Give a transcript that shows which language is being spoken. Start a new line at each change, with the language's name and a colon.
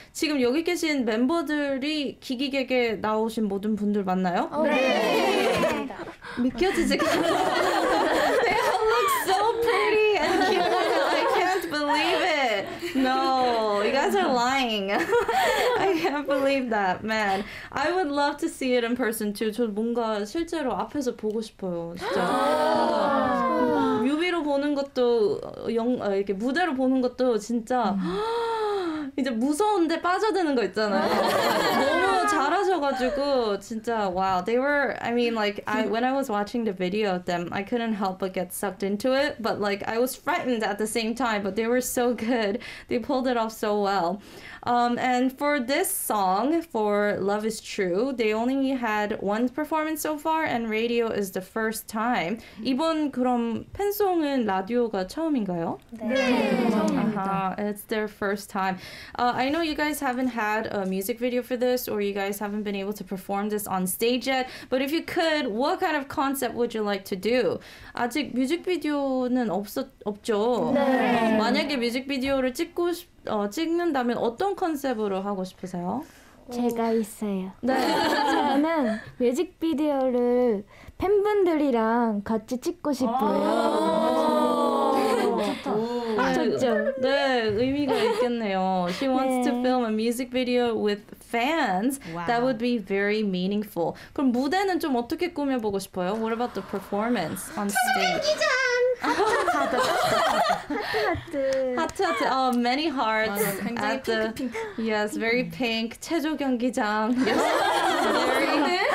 Korean: 지금 여기 계신 멤버들이 Kiki Gege 나오신 모든 분들 맞나요? 네. 믿겨지지.
English: They all look so pretty and cute. I can't believe it. No. You guys are lying. I can't believe that, man. I would love to see it in person too.
Korean: 저 뭔가 실제로 앞에서 보고 싶어요. 진짜. 뮤비로 보는 것도 이렇게 무대로 보는 것도 진짜 이제 무서운데 빠져드는 거 있잖아요. 너무 잘하셔가지고 진짜 wow.
English: They were. I mean, like when I was watching the video of them, I couldn't help but get sucked into it. But like I was frightened at the same time. But they were so good. They pulled it off so well. And for this song, for Love is True, they only had one performance so far, and radio is the first time.
Korean: 이번 그럼 팬송은 라디오가 처음인가요? 네, 처음입니다.
English: It's their first time. I know you guys haven't had a music video for this, or you guys haven't been able to perform this on stage yet, but if you could, what kind of concept would you like to do?
Korean: 아직 뮤직비디오는 없죠? 네. 만약에 뮤직비디오를 찍고 싶 찍는다면 어떤 컨셉으로 하고 싶으세요? 제가 있어요. 네. 저는 뮤직비디오를 팬분들이랑 같이 찍고 싶어요. 오~ 좋죠? 네, 의미가 있겠네요.
English: She wants 네. to film a music video with fans. Wow. That would be very meaningful.
Korean: 그럼 무대는 좀 어떻게 꾸며보고 싶어요?
English: What about the performance on stage?
Korean: 하트.
English: Oh, many hearts.
Korean: 맞아, 굉장히 at 핑크.
English: Yes, very pink.
Korean: 체조 경기장.
English: Yes.